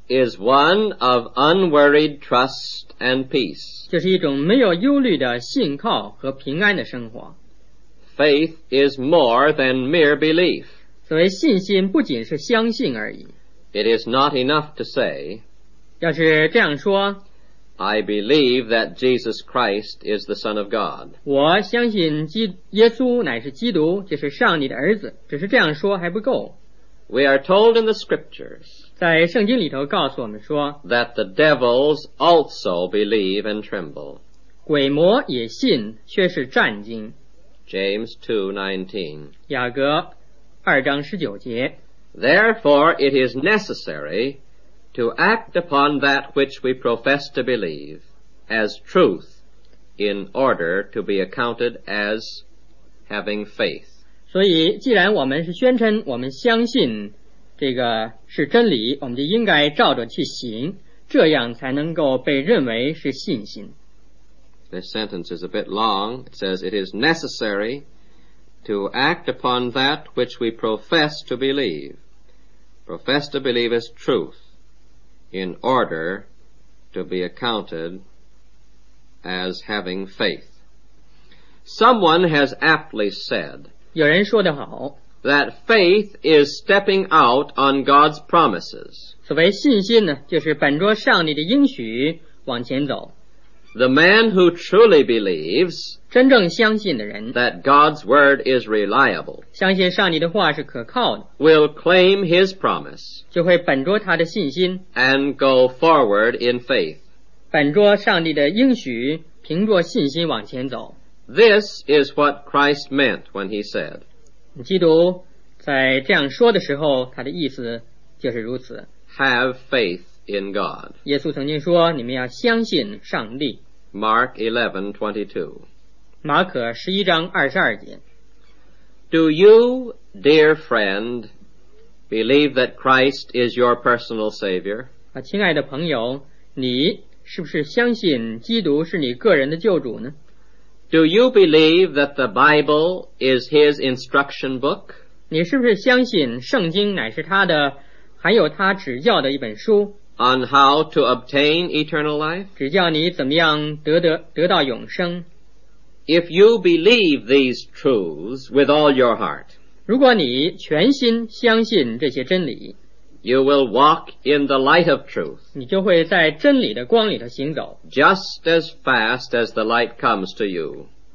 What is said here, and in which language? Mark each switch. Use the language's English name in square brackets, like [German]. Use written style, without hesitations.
[English] is one of unworried trust and peace. [Chinese] 就是一种没有忧虑的信靠和平安的生活。 [English] Faith is more than mere belief. [Chinese] 所谓信心不仅是相信而已。 [English] It is not enough to say, [Chinese] 要是这样说 [English] I believe that Jesus Christ is the Son of God. [Chinese] 我相信耶稣乃是基督，就是上帝的儿子。只是这样说还不够。 [English] We are told in the scriptures [Chinese] 在圣经里头告诉我们说 [English] that the devils also believe and tremble. [Chinese] 鬼魔也信，却是战惊。 [English] James 2:19 [Chinese] 雅各二章十九节 [English] Therefore it is necessary... to act upon that which we profess to believe as truth in order to be accounted as having faith. [Chinese] 所以既然我们是宣称我们相信这个是真理，我们就应该照着去行，这样才能够被认为是信心。 [English] This sentence is a bit long. It says it is necessary to act upon that which we profess to believe. Profess to believe as truth. In order to be accounted as having faith. Someone has aptly said, [Chinese] 有人说得好, [English] that faith is stepping out on God's promises. [Chinese] 所谓信心呢，就是本着上帝的应许往前走。 [English] The man who truly believes, [Chinese] 真正相信的人, [English] that God's word is reliable, [Chinese] 相信上帝的话是可靠的, [English] will claim his promise, [Chinese] 就会本着他的信心, [English] and go forward in faith, [Chinese] 本着上帝的应许, 凭着信心往前走。 [English] This is what Christ meant when he said, [Chinese] 基督在这样说的时候, 他的意思就是如此。 [English] Have faith. In God. [Chinese] 耶稣曾经说你们要相信上帝。 [English] Mark 11:22. [Chinese] 马可十一章二十二节。 [English] Do you, dear friend, believe that Christ is your personal Savior? [Chinese] 亲爱的朋友，你是不是相信基督是你个人的救主呢？ [English] Do you believe that the Bible is his instruction book? [Chinese] 你是不是相信圣经乃是他的，含有他指教的一本书？ [English] On how to obtain eternal life? [Chinese] 指教你怎么样得到永生。 [English] If you believe these truths with all your heart, [Chinese] 如果你全心相信这些真理， [English] you will walk in the light of truth, [Chinese] 你就会在真理的光里头行走。 [English] Just as fast as the light comes to you,